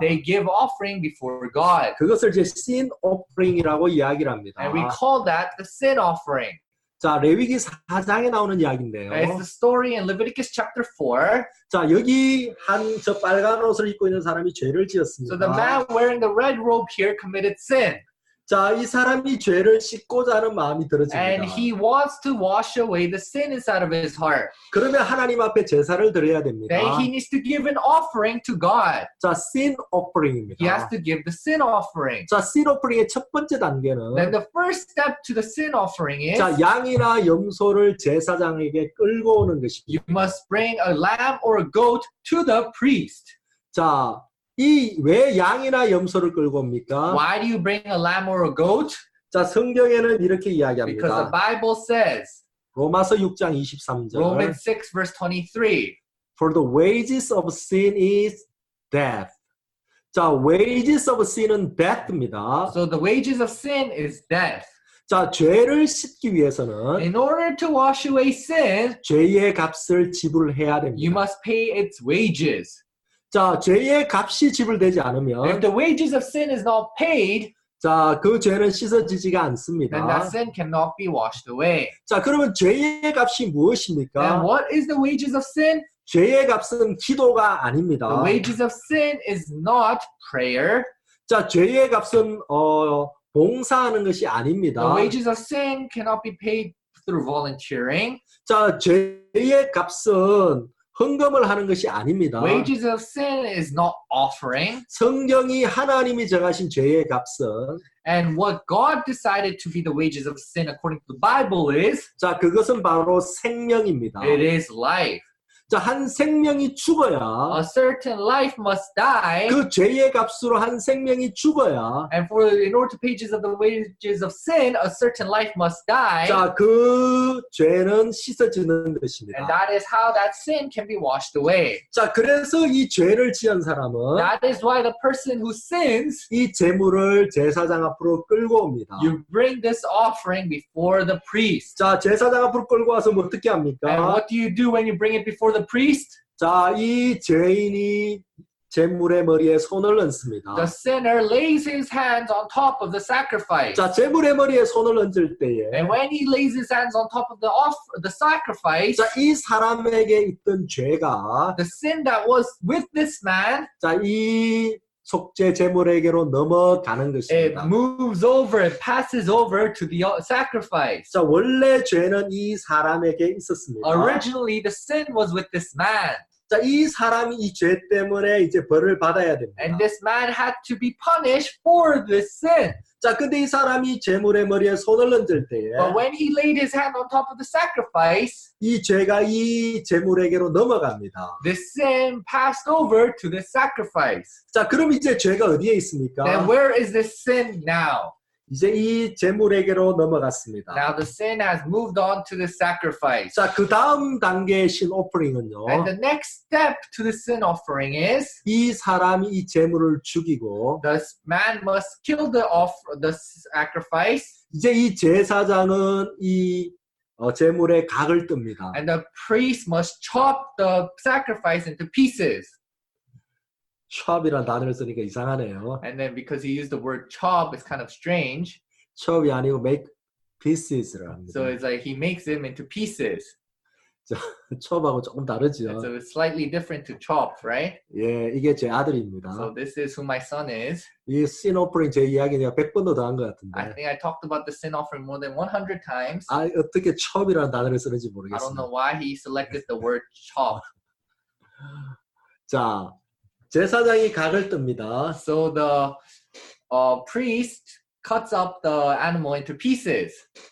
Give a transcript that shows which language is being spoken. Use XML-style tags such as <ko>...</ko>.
<en>They give offering before God.</en> <ko>그것을 이제 sin offering이라고 이야기를 합니다.</ko> <en>And we call that the sin offering.</en> <ko>자, 레위기 4장에 나오는 이야기인데요.</ko> <en>It's the story in Leviticus chapter 4.</en> <ko>자, 여기 한 저 빨간 옷을 입고 있는 사람이 죄를 지었습니다.</ko> <en>So the man wearing the red robe here committed sin.</en> <ko>자, 이 사람이 죄를 씻고자 하는 마음이 들어집니다.</ko> <en>And he wants to wash away the sin inside of his heart.</en> <ko>그러면 하나님 앞에 제사를 드려야 됩니다.</ko> <en>Then he needs to give an offering to God.</en> <ko>자, sin offering입니다.</ko> <en>He has to give the sin offering.</en> <ko>자, sin offering의 첫 번째 단계는</ko> <en>Then the first step to the sin offering is</en> <ko>자, 양이나 염소를 제사장에게 끌고 오는 것입니다.</ko> <en>You must bring a lamb or a goat to the priest.</en> <ko>자, 이 왜 양이나 염소를 끌고 옵니까?</ko> <en>Why do you bring a lamb or a goat?</en> <ko>자, 성경에는 이렇게 이야기합니다.</ko> <en>Because the Bible says.</en> <ko>로마서 6장 23절.</ko> <en>Romans 6 verse 23. For the wages of sin is death.</en> <ko>자, wages of sin은 death입니다.</ko> <en>So the wages of sin is death.</en> <ko>자, 죄를 씻기 위해서는</ko> <en>In order to wash away sin,</en> <ko>죄의 값을 지불해야 됩니다.</ko> <en>You must pay its wages.</en> <ko>자, 죄의 값이 지불되지 않으면</ko> <en>If the wages of sin is not paid,</en> <ko>자, 그 죄는 씻어지지가 않습니다.</ko> <en>Then that sin cannot be washed away.</en> <ko>자, 그러면 죄의 값이 무엇입니까?</ko> <en>Then what is the wages of sin?</en> <ko>죄의 값은 기도가 아닙니다.</ko> <en>The wages of sin is not prayer.</en> <ko>자, 죄의 값은 봉사하는 것이 아닙니다.</ko> <en>The wages of sin cannot be paid through volunteering.</en> <ko>자, 죄의 값은 헌금을 하는 것이 아닙니다.</ko> <en>Wages of sin is not offering.</en> <ko>성경이 하나님이 정하신 죄의 값은</ko> <en>And what God decided to be the wages of sin according to the Bible is</en> <ko>자, 그것은 바로 생명입니다.</ko> <en>It is life.</en> <ko>자, 한 생명이 죽어야</ko> <en>A certain life must die.</en> <ko>그 죄의 값으로 한 생명이 죽어야</ko> <en>And for in order to pay the wages of sin a certain life must die.</en> <ko>자, 그 죄는 씻어지는 것입니다.</ko> <en>And that is how that sin can be washed away.</en> <ko>자, 그래서 이 죄를 지은 사람은</ko> <en>That is why the person who sins</en> <ko>이 제물을 제사장 앞으로 끌고 옵니다.</ko> <en>You bring this offering before the priest.</en> <ko>자, 제사장 앞으로 끌고 와서 뭐 어떻게 합니까?</ko> <en>And what do you do when you bring it before the priest</en> <ko>자, 이 죄인이 제물의 머리에 손을 얹습니다.</ko> <en>The sinner lays his hands on top of the sacrifice.</en> <ko>자, 제물의 머리에 손을 얹을 때에</ko> <en>And when he lays his hands on top of the sacrifice</en> <ko>자, 이 사람에게 있던 죄가</ko> <en>The sin that was with this man</en> <ko>자, 이 속죄 제물에게로 넘어가는 것입니다.</ko> <en>It moves over, it passes over to the sacrifice.</en> <ko>자, 원래 죄는 이 사람에게 있었습니다.</ko> <en>Originally, the sin was with this man.</en> <ko>자, 이 사람이 이 죄 때문에 이제 벌을 받아야 됩니다.</ko> <en>And this man had to be punished for this sin.</en> <ko>자, 근데 이 사람이 제물의 머리에 손을 얹을 때에</ko> <en>But when he laid his hand on top of the sacrifice,</en> <ko>이 죄가 이 제물에게로 넘어갑니다.</ko> <en>The sin passed over to the sacrifice.</en> <ko>자, 그럼 이제 죄가 어디에 있습니까?</ko> <en>Then where is the sin now?</en> <ko>이제 이 제물에게로 넘어갔습니다.</ko> <en>Now the sin has moved on to the sacrifice.</en> <ko>자, 그 다음 단계의 sin offering은요.</ko> <en>And the next step to the sin offering is</en> <ko>이 사람이 이 제물을 죽이고</ko> <en>The man must kill the sacrifice.</en> <ko>이제 이 제사장은 이 제물의 각을 뜹니다.</ko> <en>And the priest must chop the sacrifice into pieces.</en> <ko>chop이란 단어를 쓰니까 이상하네요.</ko> <en>And then because he used the word chop, it's kind of strange.</en> <ko>chop이 아니고</ko> <en>make pieces</en> <ko>라 합니다.</ko> <en>So it's like he makes them into pieces.</en> <ko>자, chop하고 조금 다르죠.</ko> <en>And so it's slightly different to chop, right?</en> <ko>예, 이게 제 아들입니다.</ko> <en>So this is who my son is.</en> <ko>이 sin offering 제 이야기 내가 100번도 더 한 것 같은데.</ko> <en>I think I talked about the sin offering more than 100 times.</en> <ko>아, 어떻게 chop이란 단어를 쓰는지 모르겠어요.</ko> <en>I don't know why he selected the word chop.</en> <ko>자, 제사장이 각을 뜹니다.</ko> <en>So the priest cuts up the animal into pieces.</en>